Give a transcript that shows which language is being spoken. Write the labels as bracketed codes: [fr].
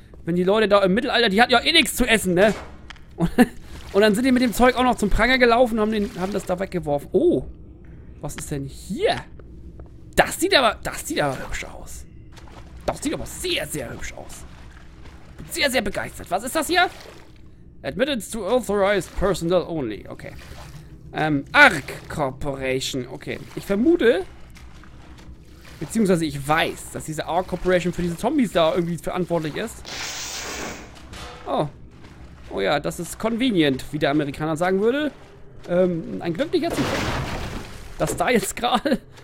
[de] Wenn die Leute da im Mittelalter, die hatten ja eh nichts zu essen, ne? Und dann sind die mit dem Zeug auch noch zum Pranger gelaufen und haben das da weggeworfen. Oh, was ist denn hier? Das sieht aber hübsch aus. Das sieht aber sehr, sehr hübsch aus. Bin sehr, sehr begeistert. Was ist das hier? [en] Admittance to authorized personnel only. [de] Okay. Ark Corporation. Okay. Ich vermute, beziehungsweise ich weiß, dass diese Ark Corporation für diese Zombies da irgendwie verantwortlich ist. Oh. Oh ja, das ist convenient, wie der Amerikaner sagen würde. Ein glücklicher Zufall. Dass da jetzt gerade